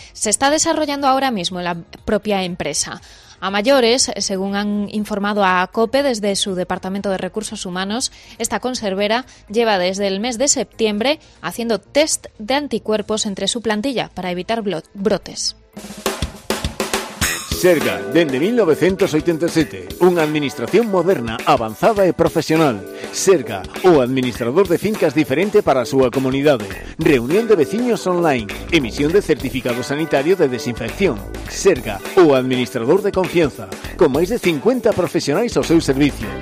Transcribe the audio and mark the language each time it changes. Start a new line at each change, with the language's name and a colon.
Spanish: Se está desarrollando ahora mismo la propia empresa. A mayores, según han informado a COPE desde su Departamento de Recursos Humanos, esta conservera lleva desde el mes de septiembre haciendo test de anticuerpos entre su plantilla para evitar brotes.
Galician: Serga, dende 1987, unha administración moderna, avanzada e profesional. Serga, o administrador de fincas diferente para a súa comunidade. Reunión de veciños online, emisión de certificado sanitario de desinfección. Serga, o administrador de confianza, con máis de 50 profesionais ao seu servicio.